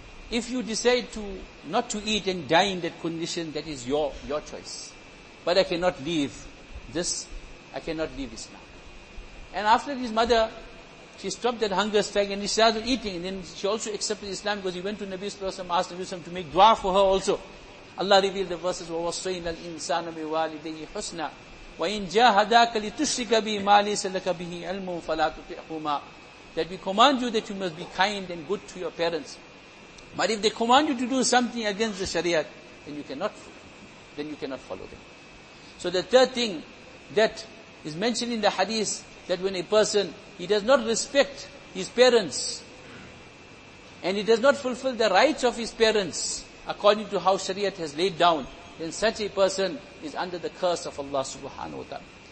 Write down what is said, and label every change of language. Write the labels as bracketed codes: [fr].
[en] If you decide to not to eat and die in that condition, that is your choice. But I cannot leave this. I cannot leave Islam. And after his mother, she stopped that hunger strike and she started eating. And then she also accepted Islam because he went to Nabi Sallallahu Alaihi Wasallam, asked Nabi Sallam to make dua for her also. Allah revealed the verses, [ar] وَوَصَّيْنَا الْإِنسَانَ بِوَالِدَيْهِ حُسْنًا وَإِنْ جَاهَدَاكَ لِتُشْرِكَ بِهِ مَا لَيْسَ لَكَ بِهِ عِلْمٌ فَلَا تُطِعْهُمَا. [en] That we command you that you must be kind and good to your parents. But if they command you to do something against the Sharia, then you cannot follow them. So the third thing that is mentioned in the hadith, that when a person, he does not respect his parents, and he does not fulfill the rights of his parents, according to how Shariat has laid down, then such a person is under the curse of Allah subhanahu wa ta'ala.